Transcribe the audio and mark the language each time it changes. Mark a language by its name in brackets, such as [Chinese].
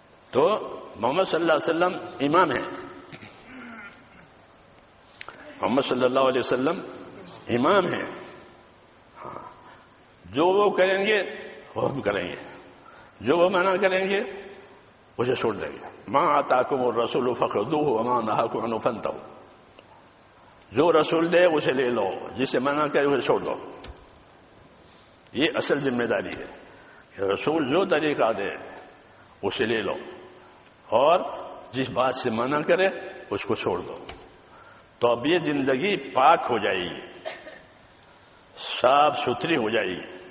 [Urdu] تو محمد صلی اللہ علیہ وسلم امام ہے، محمد صلی اللہ علیہ وسلم امام ہے، جو وہ کریں گے وہ ہم کریں گے، جو وہ منع کریں گے اسے چھوڑ دیں گے. [Arabic] ما آتاکم الرسول فخذوه وما نهاکم عنہ فانتہوا. [Urdu] جو رسول دے اسے لے لو، جسے منع کرے اسے چھوڑ دو. یہ اصل ذمہ داری ہے کہ رسول جو طریقہ دے اسے لے لو، اور جس بات سے منع کرے اس کو چھوڑ دو. تو اب یہ زندگی پاک ہو جائے گی، صاف ستھری ہو جائے گی.